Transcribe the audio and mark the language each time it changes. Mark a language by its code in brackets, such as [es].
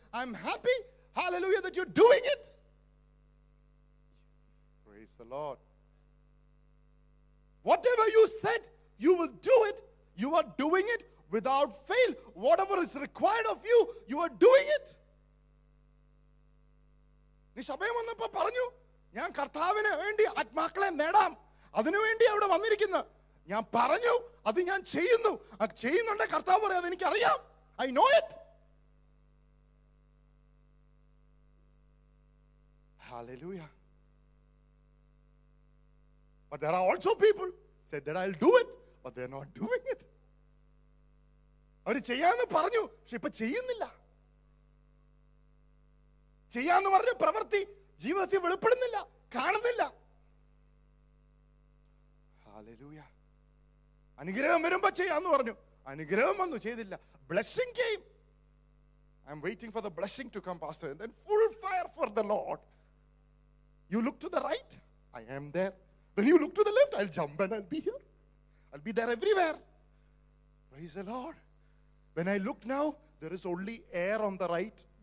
[en] I'm happy. Hallelujah, that you're doing it. Praise the Lord. Whatever you said, you will do it. You are doing it without fail. Whatever is required of you, you are doing it. [ml] നീ സഭയിൽ വന്നപ്പോ പറഞ്ഞു, ഞാൻ കർത്താവിന് വേണ്ടി ആത്മാക്കളെ നേടാം. അതിനുവേണ്ടി അവിടെ വന്നിരിക്കുന്നു. ഞാൻ പറഞ്ഞു, അത് ഞാൻ ചെയ്യുന്നു. ചെയ്യുന്നുണ്ട്. കർത്താവ് പറയും, അതെനിക്ക് അറിയാം. [en] I know it. [ml] Hallelujah. [en] But there are also people said that I'll do it, but they're not doing it. [ml] അവര് ചെയ്യാന്ന് പറഞ്ഞു, പക്ഷെ ഇപ്പൊ ചെയ്യുന്നില്ല. ചെയ്യാന്ന് പറഞ്ഞ പ്രവൃത്തി ജീവിതത്തിൽ വെളിപ്പെടുന്നില്ല, കാണുന്നില്ല. Hallelujah. അനുഗ്രഹം വരുമ്പോ ചെയ്യാന്ന് പറഞ്ഞു, അനുഗ്രഹം വന്നു, ചെയ്തില്ല. [en] Blessing came. I'm waiting for the blessing to come, Pastor. And then full fire for the Lord. You look to the right, I am there. Then you look to the left, I'll jump and I'll be here. I'll be there everywhere. Praise the Lord. When I look now, there is only air on the right.